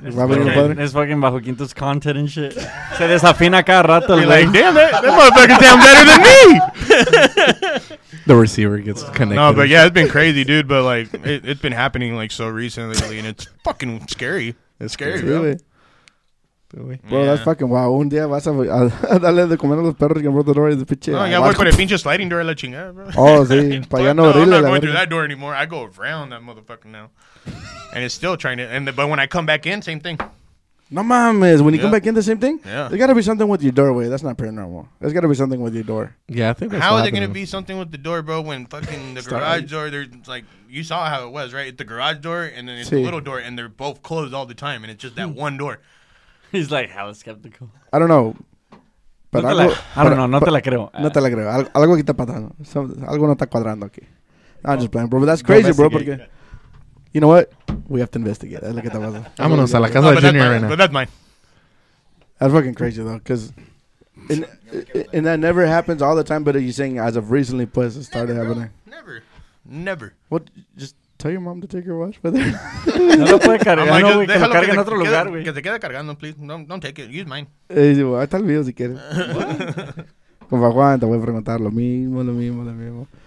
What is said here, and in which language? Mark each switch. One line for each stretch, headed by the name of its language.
English: It's fucking bajo quinto's content and shit.
Spanish: Se desafina cada rato.
English: You're like, damn, that motherfucker sound better than me. The receiver gets connected. No, but yeah, it's been crazy, dude. But like, it's been happening like so recently, and it's fucking scary. It's scary, bro. Really? Bro, yeah. That's fucking wow.
Spanish: Un día vas a darle de comer a los perros que han roto el
English: door
Spanish: de pinche. No, ya voy con el pinche
English: sliding door
Spanish: a la chingada, bro. Oh, sí. Para ya no
English: abrirle. I'm not going through that door anymore. I go around that motherfucker now. And it's still trying to. But when I come back in, same thing.
Spanish: No mames.
English: When you come back in, the same thing? Yeah. There's got to be something with your doorway. That's not paranormal. There's got to be something with your door. Yeah, I think that's how is there going to be something with the door, bro, when fucking the garage door, there's like, you saw how it was, right? It's the garage door, and then it's the little door, and they're both closed all the time, and it's just that one door. He's like, hella skeptical. I don't know.
Spanish: But no algo,
English: I don't know.
Spanish: No te la creo. No te la creo. Algo aquí está pasando. Algo no está cuadrando aquí.
English: I'm just playing, bro. But that's crazy, bro.
Spanish: Porque,
English: you know what? We have to investigate.
Spanish: Es lo que está pasando. Vámonos a la casa de Junior
English: right now. But that's mine. That's fucking crazy, though. Because that never happens all the time. But are you saying as of recently,
Spanish: pues,
English: it started happening? Never. What? Just... Tell your mom to take your watch with her.
Spanish: No lo puede cargar, no, güey. Que lo cargue en otro lugar, güey. Que se quede cargando,
English: please. Don't take it. Use mine.
Spanish: Ahí está el video, si quieres. Con Juan, te voy a preguntar lo mismo.